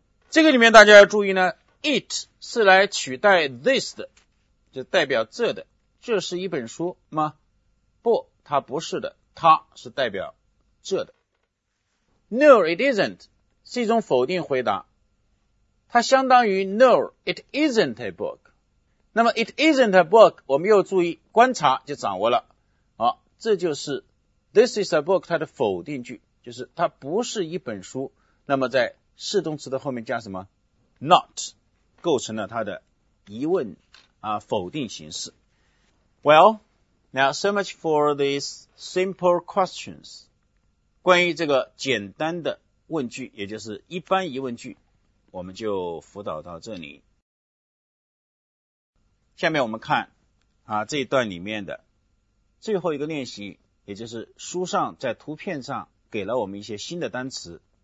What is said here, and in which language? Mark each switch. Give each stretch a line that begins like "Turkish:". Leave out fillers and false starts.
Chinese: 这个里面大家要注意呢， it 是来取代 this 的，就代表这的。这是一本书吗？不，它不是的，它是代表这的。
English: No, it isn't
Chinese: 是一种否定回答，它相当于
English: No, it isn't a book.
Chinese: 那么
English: it isn't a book
Chinese: 我们又注意观察就掌握了。好，这就是
English: this is a book
Chinese: 它的否定句，就是它不是一本书，那么在是动词的后面加什么 not 构成了它的疑问啊否定形式。
English: Well, now so much for these simple questions.
Chinese: 关于这个简单的问句，也就是一般疑问句，我们就辅导到这里。下面我们看啊这一段里面的最后一个练习，也就是书上在图片上给了我们一些新的单词。